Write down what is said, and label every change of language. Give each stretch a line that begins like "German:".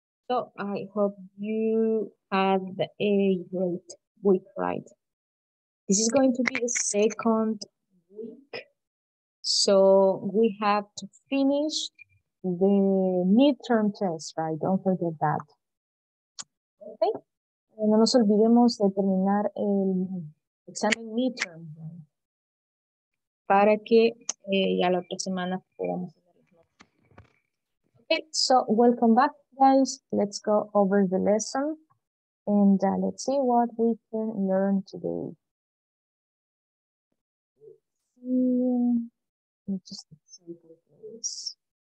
English: So I hope you had a great week, right? This is going to be the second week. So we have to finish the midterm test, right? Don't forget that. Okay.
Spanish: No nos olvidemos de terminar el examen midterm, ¿no? Para que ya la otra semana podamos hacer el examen.
English: Okay, so welcome back, guys. Let's go over the lesson and let's see what we can learn today. Let's see. Let me just simply do this.